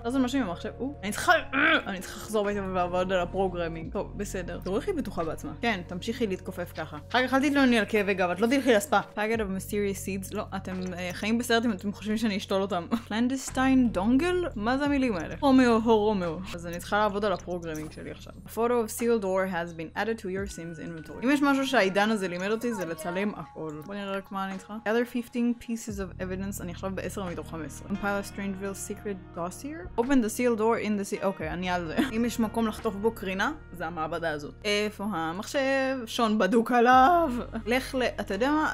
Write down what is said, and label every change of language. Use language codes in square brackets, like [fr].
[he] אז אני משהו עם המחשב, אני צריכה לחזור בית ולעבוד על הפרוגרמינג. טוב, בסדר. תראו איך היא בטוחה בעצמה. כן, תמשיכי להתכופף ככה. אחר כך אל תתלונני על כאבי גב, את לא תלכי לספה. [en] Packet of Mysterious Seeds, [he] לא, אתם חיים בסרט אם אתם חושבים שאני אשתול אותם. [en] Clandestine Dongle? [he] מה זה המילים האלה? רומאו, הורומאו. אז אני צריכה לעבוד על הפרוגרמינג שלי עכשיו. [en] A photo of sealed door has been added to your Sims inventory. [he] אם יש משהו שהעידן הזה לימד אותי זה לצלם הכל. בוא נראה רק מה אני צריכה. [en] Gather 15 pieces of evidence, [he] אני עכשיו ב-10 מתוך 15. [en] Compile a Strangeville secret dossier. Open the sealed door in the sea... [he] אוקיי, אני על זה. אם יש מקום לחטוף בו קרינה, זה המעבדה הזאת. איפה המחשב? שון בדוק עליו. לך ל... אתה יודע מה?